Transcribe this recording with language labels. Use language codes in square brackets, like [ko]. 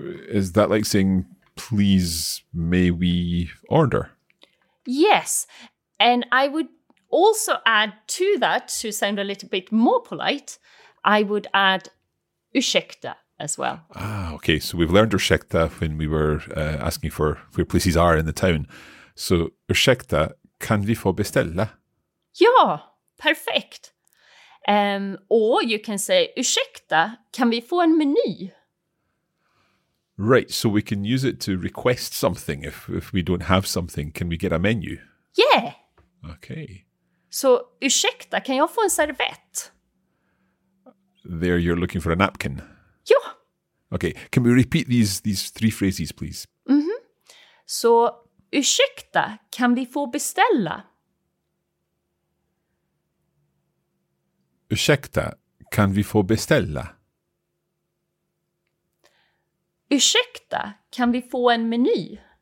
[en] Is that like saying, please, may we order? Yes. And I would also add to that, to sound a little bit more polite, I would add ursäkta as well. Ah, okay. So we've learned ursäkta when we were asking for where places are in the town. [sv] So ursäkta, kan vi få beställa? Ja, perfekt. [en] Or you can say [sv] ursäkta, kan vi få en meny? [en] Right, so we can use it to request something. If we don't have something, can we get a menu? Yeah. Okay. [sv] So, ursäkta, kan jag få en servett? [en] There you're looking for a napkin. [sv] Ja. [en] Okay, can we repeat these three phrases, please? Mm-hmm. [sv] So, ursäkta, kan vi få beställa? Ursäkta, kan vi få beställa? Ursäkta, kan vi få en meny?